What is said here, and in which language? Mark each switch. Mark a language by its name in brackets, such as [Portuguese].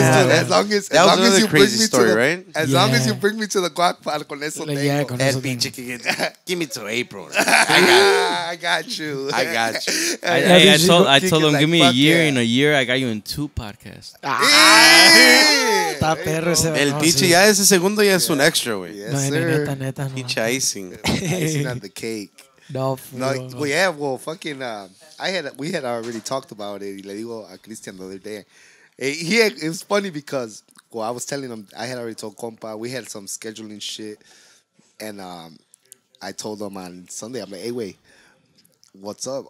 [English] to, as long as you bring me to the, right? As long as you bring me to the Guac Pod [Spanish] con eso, [English] like, yeah, [Spanish] con eso, [English] bitch, give me to April. I got you. I told him, give me a year. In a year, I got you in 2 podcasts. [Spanish] Está perro ese. El bitch, ya ese segundo ya es un extra, güey. No, neta. [English] Bitch icing. On the cake. No. Well, yeah, well, fucking, we had already talked about it. [Spanish] Le digo a Cristian [English] the other day. It was funny because, well, I was telling him, I had already told compa, we had some scheduling shit, and I told him on Sunday, I'm like, hey, wait, what's up?